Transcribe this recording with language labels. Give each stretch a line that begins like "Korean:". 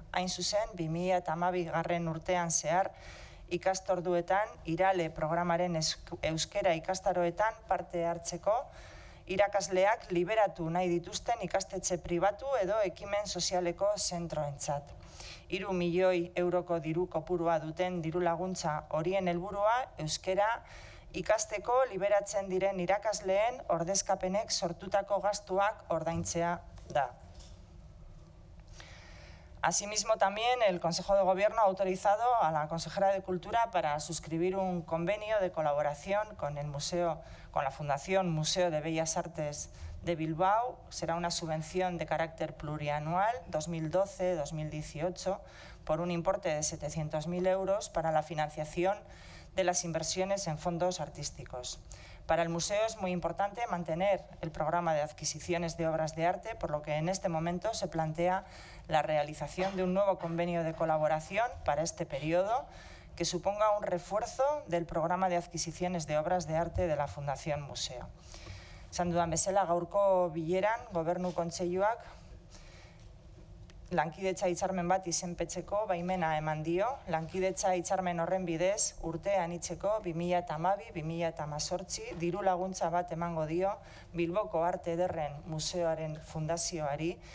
Basque: Hain zuzen, 2012 urtean zehar, ikastorduetan, IRALE programaren euskera ikastaroetan parte hartzeko, irakasleak liberatu nahi dituzten ikastetxe pribatu edo ekimen sozialeko zentroentzat. 3 milioi euroko diru kopurua duten diru laguntza horien helburua euskera ikasteko liberatzen diren irakasleen ordezkapenek sortutako gastuak ordaintzea da.
Spanish: Asimismo, también el Consejo de Gobierno ha autorizado a la Consejera de Cultura para suscribir un convenio de colaboración con la Fundación Museo de Bellas Artes de Bilbao será una subvención de carácter plurianual 2012-2018 por un importe de 700.000 euros para la financiación de las inversiones en fondos artísticos. Para el museo es muy importante mantener el programa de adquisiciones de obras de arte, por lo que en este momento se plantea la realización de un nuevo convenio de colaboración para este periodo que suponga un refuerzo del programa de adquisiciones de obras de arte de la Fundación Museo.
Basque: Esan dudan bezala, gaurko bileran, gobernu kontseiluak lankidetza hitzarmen bat izenpetzeko baimena eman dio. Lankidetza hitzarmen horren bidez, urte anitzeko 2012-2018 diru laguntza bat emango dio Bilboko Arte Ederren Museoaren Fundazioari.